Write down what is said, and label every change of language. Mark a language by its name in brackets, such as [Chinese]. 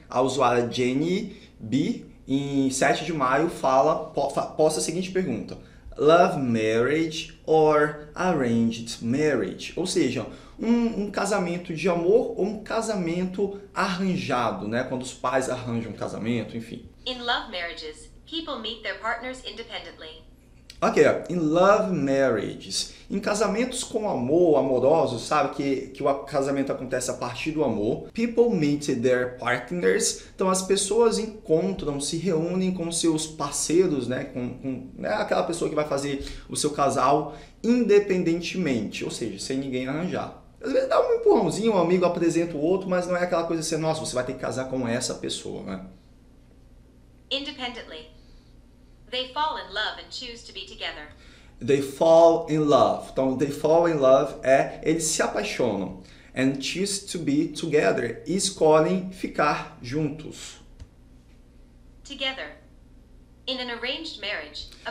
[Portuguese] A usuária Jenny B, em 7 de maio, posta a seguinte pergunta: [English] love marriage or arranged marriage? [Portuguese] Ou seja, um casamento de amor ou um casamento arranjado, né? Quando os pais arranjam um casamento, enfim. [English] In love marriages, people meet their partners independently. [Portuguese] Ok, [English] in love marriages, [Portuguese] em casamentos com amor, amorosos, sabe, que o casamento acontece a partir do amor, [English] people meet their partners, [Portuguese] então as pessoas encontram, se reúnem com seus parceiros, né, com né, aquela pessoa que vai fazer o seu casal independentemente, ou seja, sem ninguém arranjar. Às vezes dá um empurrãozinho, um amigo apresenta o outro, mas não é aquela coisa assim, nossa, você vai ter que casar com essa pessoa, né? [English] Independently. They fall in love and choose to be together. They fall in love. Então, they fall in love [Portuguese] é eles se apaixonam. [English] And choose to be together. [Portuguese] E escolhem ficar juntos. [English] Together. In an arranged marriage.